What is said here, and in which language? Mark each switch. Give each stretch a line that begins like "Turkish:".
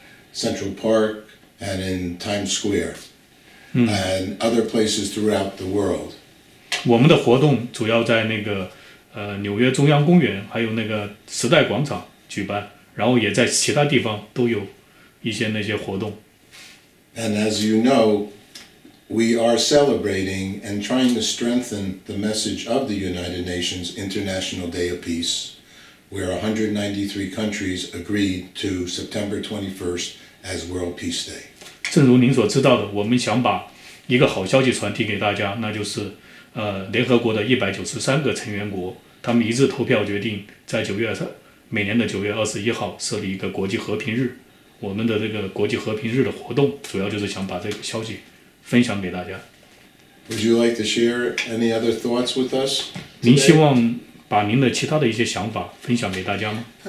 English: Central Park and in Times Square and other places throughout the world.
Chinese: 我们的活动主要在那个纽约中央公园还有那个时代广场举办，然后也在其他地方都有一些那些活动。
English: And as you know, we are celebrating and trying to strengthen the message of the United Nations International Day of Peace, where 193 countries agreed to September 21st. As World Peace Day.
Chinese: 正如您所知道的，我们想把一个好消息传递给大家，那就是联合国的193个成员国，他们一致投票决定在每年的9月21号设立一个国际和平日。我们的这个国际和平日的活动主要就是想把这个消息分享给大家。
English: Would you like to share any other thoughts with us today?
Chinese: 您希望把您的其他的一些想法分享给大家吗？